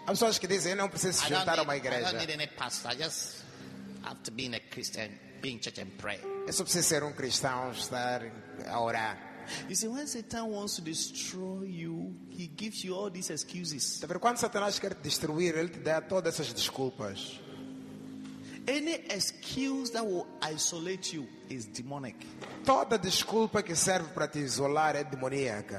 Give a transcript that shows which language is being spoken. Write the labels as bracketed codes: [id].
[pt] Há pessoas que dizem, eu não preciso juntar a uma igreja. [en] I don't need any pastor. I just have to be in a Christian, be in church and pray. [pt] É só preciso ser cristão, estar a orar. [en] You see, when Satan wants to destroy you, he gives you all these excuses. [pt] Quando Satanás quer te destruir, ele te dá todas essas desculpas. [en] Any excuse that will isolate you is demonic. [pt] Toda desculpa que serve para te isolar é demoníaca.